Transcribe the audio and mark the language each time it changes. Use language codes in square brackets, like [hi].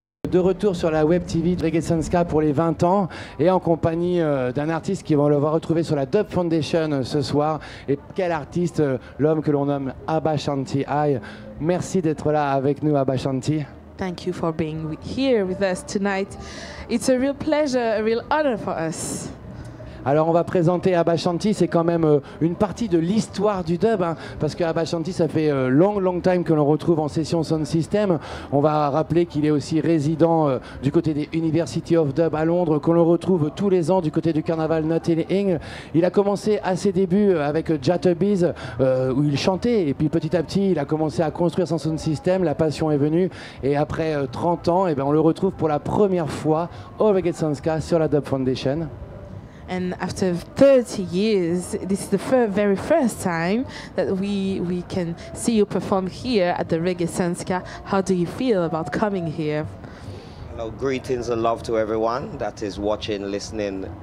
[fr] De retour sur la web TV de Reggae Sun Ska pour les 20 ans et en compagnie d'un artiste qui va le voir retrouver sur la Dub Foundation ce soir. Et quel artiste, l'homme que l'on nomme ABA SHANTI. Merci d'être là avec nous, ABA SHANTI. [en] Thank you for being here with us tonight. It's a real pleasure, a real honor for us. [fr] Alors on va présenter ABA SHANTI, c'est quand même une partie de l'histoire du dub, hein, parce que ABA SHANTI, ça fait [en] long time [fr] que l'on retrouve en session Sound System. On va rappeler qu'il est aussi résident du côté des University of Dub à Londres, que l'on retrouve tous les ans du côté du carnaval Notting Hill. Il a commencé à ses débuts avec Jatubbies, où il chantait, et puis petit à petit, il a commencé à construire son Sound System, la passion est venue, et après 30 ans, eh ben, on le retrouve pour la première fois au Reggae Sun Ska sur la Dub Foundation. [en] And after 30 years, this is the very first time that we can see you perform here at the Reggae Sun Ska. How do you feel about coming here? Hello, greetings and love to everyone that is watching, listening.